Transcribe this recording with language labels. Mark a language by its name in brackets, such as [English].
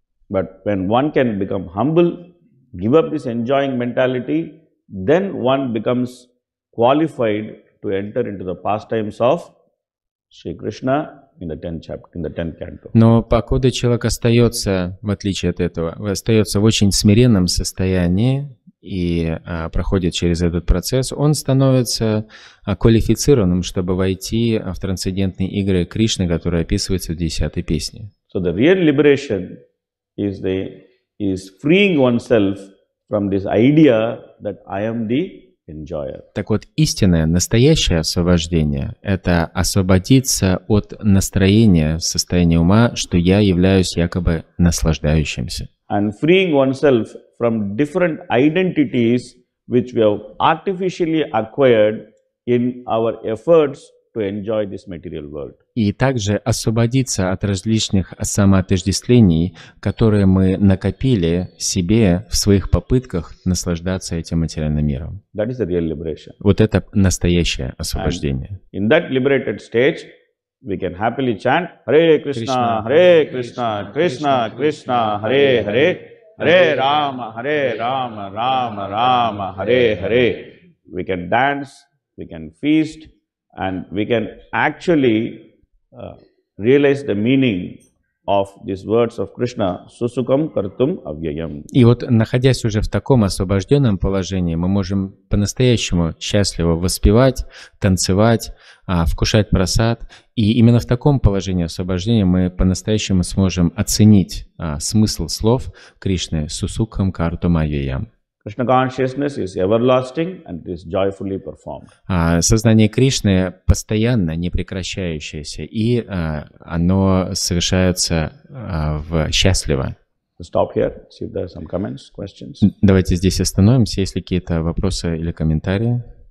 [English] But when one can become humble, give up this enjoying mentality, then one becomes qualified to enter into the pastimes of Shri Krishna in the 10th chapter, in the 10th canto. [Russian] Но покуда человек остается, в отличие от этого, остается в очень смиренном состоянии и проходит через этот процесс, он становится квалифицированным, чтобы войти в трансцендентные игры Кришны, которые описываются в 10-й песне. [English] So the real liberation is freeing oneself from this idea that I am the enjoyer. [Russian] Так вот, истинное, настоящее освобождение — это освободиться от настроения, состояния ума, что я являюсь якобы наслаждающимся. [English] And freeing oneself from different identities which we have artificially acquired in our efforts to enjoy this material world. [Russian] И также освободиться от различных самоотождествлений, которые мы накопили себе в своих попытках наслаждаться этим материальным миром. [English] That is the real liberation. [Russian] Вот это настоящее освобождение. [English] And in that liberated stage, we can happily chant Hare Krishna, Hare Krishna, Krishna Krishna, Hare Hare, Hare Rama, Hare Rama, Rama Rama, Hare Hare. We can dance, we can feast, and we can actually realize the meaning of these words of Krishna, [Sanskrit] susukam kartum avyayam. [Russian] И вот, находясь уже в таком освобожденном положении, мы можем по-настоящему счастливо воспевать, танцевать, вкушать прасад. И именно в таком положении освобождения мы по-настоящему сможем оценить смысл слов Кришны, [Sanskrit] susukam kartum avyayam. [English] Krishna consciousness is everlasting and is joyfully performed. [Russian] Сознание Кришны постоянно, непрекращающееся, и оно совершается счастливо. [English] Stop here. See if there are some comments, questions. [Russian] Давайте здесь остановимся. Есть ли какие-то вопросы или комментарии?